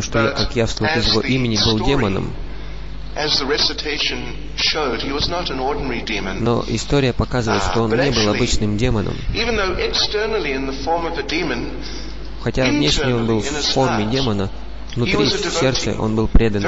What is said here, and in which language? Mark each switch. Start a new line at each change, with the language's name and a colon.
Russian: что, как явствует из его имени, был демоном.
English: As the recitation showed, he was not an ordinary demon.
Russian: Но история показывает, что он не был обычным демоном.
English: Even though externally in the form of a demon,
Russian: хотя внешне он был в форме демона, внутри сердца он был преданным.